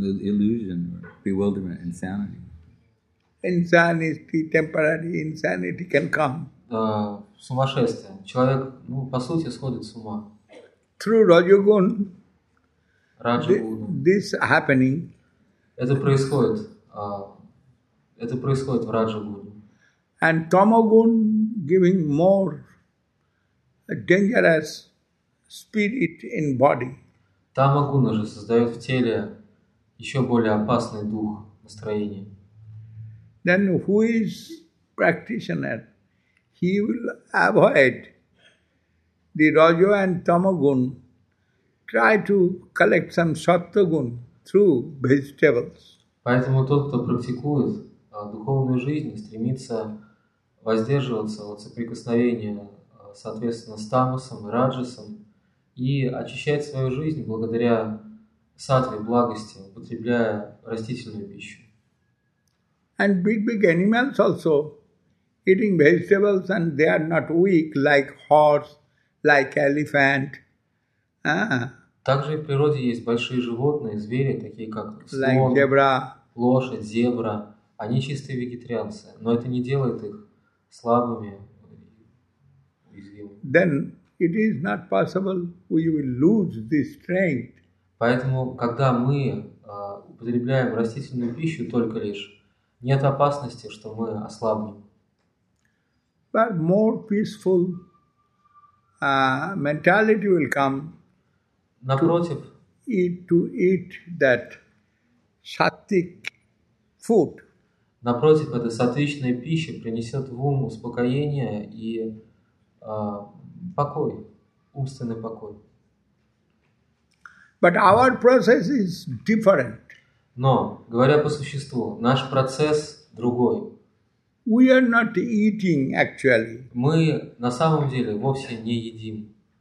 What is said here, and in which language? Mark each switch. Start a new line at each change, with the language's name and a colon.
English: Illusion, bewilderment, insanity. Insanity, temporary insanity can come.
Russian: Сумасшествие. Человек, ну, по сути, сходит с ума.
English: Through Rajogun. Rajogun. This happening.
Russian: Это происходит. Это происходит в раджа-гуне.
English: And tamogun giving more dangerous spirit in body.
Russian: Тамогуна же создает в теле еще более опасный дух, настроение.
English: Then who is practitioner? he will avoid the Rajo and Tamagun, try to collect some Sattagun through vegetables.
Russian: Поэтому тот, кто практикует духовную жизнь, стремится воздерживаться от соприкосновения, соответственно, с тамасом и раджасом, и очищать свою жизнь благодаря сатве, благости, употребляя растительную пищу.
English: And big animals also eating vegetables, and they are not weak like horse, like elephant.
Russian: Также в природе есть большие животные, звери, такие как слон, лошадь, зебра. Они чистые вегетарианцы, но это не делает их слабыми.
English: Then it is not possible we will lose this strength.
Russian: Поэтому, когда мы употребляем растительную пищу только лишь, нет опасности, что мы ослабнем.
English: But more peaceful mentality will come.
Russian: Напротив,
English: to eat that sattvic food.
Russian: Напротив, эта сатвичная пища принесет в ум успокоение и покой, умственный покой.
English: But our process is different.
Russian: Но, говоря по существу, наш процесс другой.
English: We are not eating actually.
Russian: Мы на самом деле вовсе не едим.